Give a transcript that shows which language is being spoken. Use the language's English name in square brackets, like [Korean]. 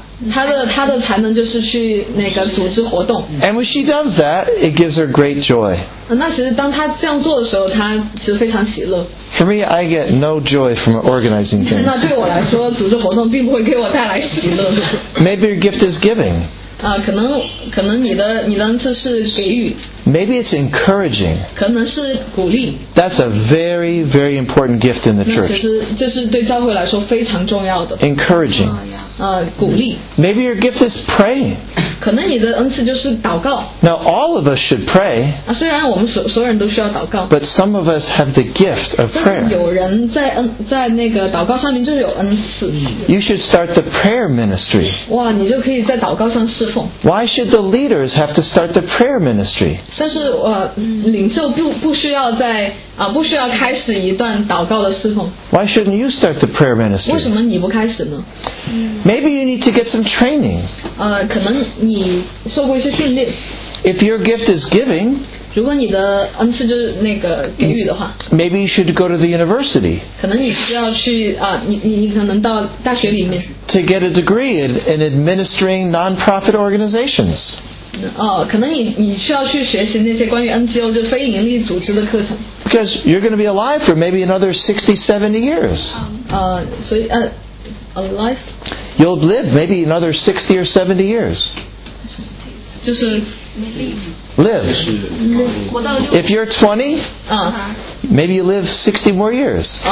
[Chinese] 她的才能就是去那个组织活动。 [English] And when she does that, it gives her great joy. [Chinese] 那其实当她这样做的时候，她其实非常喜乐。 [English] For me, I get no joy from organizing things. [Chinese] 那对我来说，组织活动并不会给我带来喜乐。 [English] Maybe your gift is giving. [Chinese] 可能你的恩赐是给予。 [English] Maybe it's encouraging. [Chinese] 可能是鼓励。 [English] That's a very, very important gift in the church. [Chinese] 其实这是对教会来说非常重要的。 [English] Encouraging. [Chinese] 鼓励。 [English] Maybe your gift is praying. [Chinese] 可能你的恩赐就是祷告。 [English] Now all of us should pray. [Chinese] 啊，虽然我们所有人都需要祷告。 [English] But some of us have the gift of prayer. [Chinese] 有人在那个祷告上面就有恩赐。 [English] You should start the prayer ministry. [Chinese] 哇，你就可以在祷告上侍奉。 [English] Why should the leaders have to start the prayer ministry? [Chinese] 但是领袖不需要在不需要开始一段祷告的侍奉。 [English] Why shouldn't you start the prayer ministry? [Chinese] 为什么你不开始呢？ [English] Maybe you need to get some training. [Chinese] 可能你受过一些训练。 [English] If your gift is giving, [Chinese] 如果你的恩赐就是那个给予的话， [English] maybe you should go to the university. [Chinese] 可能你需要去你可能到大学里面。 [English] To get a degree in administering non-profit organizations. [Chinese] 可能你需要去学习那些关于 NGO 就非盈利组织的课程。 [English] Because you're going to be alive for maybe another 60-70 years. [Chinese] 所以alive. [English] You'll live maybe another 60 or 70 years. [Chinese] 就是 [English] Live. If you're 20, maybe you live 60 more years.